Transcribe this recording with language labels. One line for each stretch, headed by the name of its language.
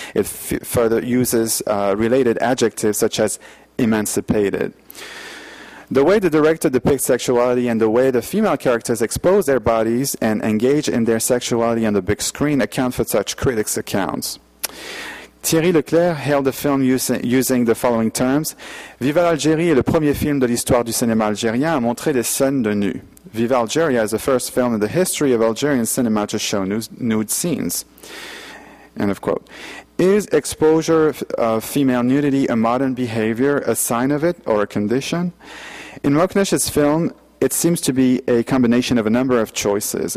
English: It further uses related adjectives such as emancipated. The way the director depicts sexuality and the way the female characters expose their bodies and engage in their sexuality on the big screen account for such critics' accounts. Thierry Leclerc hailed the film using the following terms.
French: Viva l'Algérie est le premier film de l'histoire du cinéma algérien à montrer des scènes de nu.
English: Viva Algeria is the first film in the history of Algerian cinema to show nude scenes. End of quote. Is exposure of female nudity a modern behavior, a sign of it, or a condition? In Meknesh's film, it seems to be a combination of a number of choices.